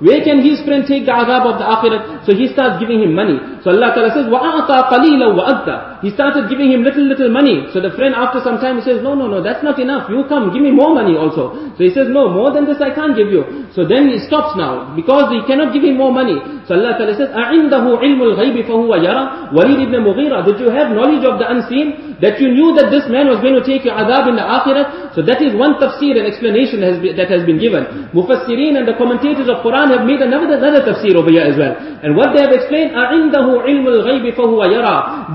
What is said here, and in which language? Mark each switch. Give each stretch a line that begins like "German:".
English: Where can his friend take the azab of the akhirat? So he starts giving him money. So Allah Ta'ala says,
Arabic: وَأَعْطَى قَلِيلًا وَأَدَّى.
English: He started giving him little money. So the friend after some time, he says, no, that's not enough. You come, give me more money also. So he says, no, more than this I can't give you. So then he stops now, because he cannot give him more money. So Allah Ta'ala says,
Arabic: أَعِنْدَهُ عِلْمُ الْغَيْبِ فَهُوَ يَرَى.
English: Walid ibn Mughira, did you have knowledge of the unseen? That you knew that this man was going to take your adab in the akhirah? So that is one tafsir and explanation that has been given. Mufassireen and the commentators of Quran have made another tafsir over here as well. And what they have explained,
Arabic: أَعِنْدَهُ عِلْمُ الْغَيْبِ فَهُوَ يَرَى.